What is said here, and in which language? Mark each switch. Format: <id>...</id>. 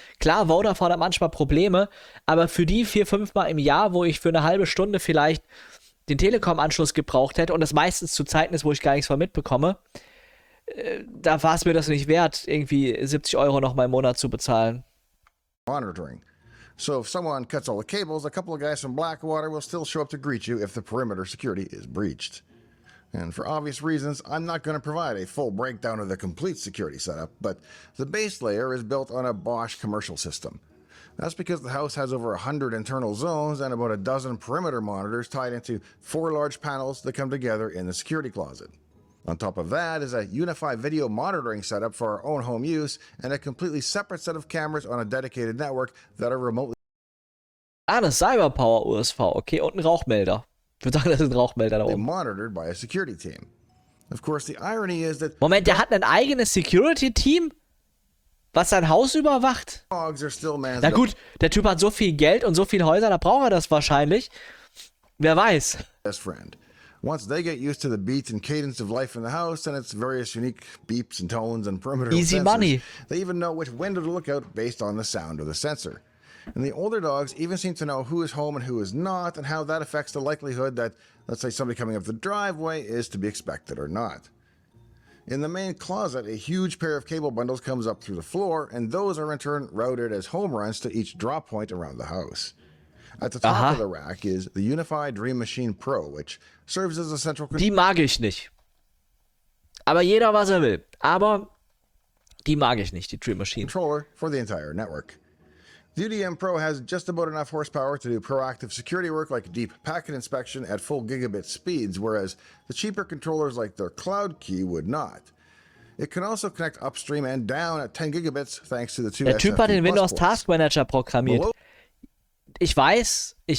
<de>Klar, Vodafone hat manchmal Probleme, aber für die 4-5 Mal im Jahr, wo ich für eine halbe Stunde vielleicht den Telekom-Anschluss gebraucht hätte und das meistens zu Zeiten ist, wo ich gar nichts von mitbekomme, da war es mir das nicht wert, irgendwie 70 Euro noch mal im Monat zu bezahlen.</de> <en>Monitoring. So if someone cuts all the cables, a couple of guys from Blackwater will still show up to greet you if the perimeter security is breached. And for obvious reasons, I'm not going to provide a full breakdown of the complete security setup, but the base layer is built on a Bosch commercial system. That's because the house has over 100 internal zones and about a dozen perimeter monitors tied into four large panels that come together in the security closet. On top of that is a unified video monitoring setup for our own home use and a completely separate set of cameras on a dedicated network that are remotely...</en> <de>Ah, eine Cyberpower-USV, okay, und ein Rauchmelder. Ich würde sagen, das ist ein Rauchmelder da oben.</de> <en>Monitored by a security team. Of course, the irony is that...</en> <de>Moment, der hat ein eigenes Security-Team, was sein Haus überwacht? Na gut, der Typ hat so viel Geld und so viele Häuser, da braucht er das wahrscheinlich. Wer weiß.</de> <en>Best friend. Once they get used to the beats and cadence of life in the house and its various unique beeps and tones and perimeter easy sensors, money. They even know which window to look out based on the sound of the sensor. And the older dogs even seem to know who is home and who is not, and how that affects the likelihood that, let's say, somebody coming up the driveway is to be expected or not. In the main closet, a huge pair of cable bundles comes up through the floor, and those are in turn routed as home runs to each draw point around the house. At the top of the rack is the Unified Dream Machine Pro, which serves as a central...</en> <de>Die mag ich nicht. Aber jeder, was er will. Aber die mag ich nicht, die Dream Machine.</de> <en>Controller for the entire network. The UDM Pro has just about enough horsepower to do proactive security work like deep packet inspection at full gigabit speeds, whereas the cheaper controllers like their Cloud Key would not. It can also connect upstream and down at 10 gigabits thanks to the two SFP Plus ports.</en> <de>Der Typ hat den Windows Task Manager programmiert. Ich weiß.</de>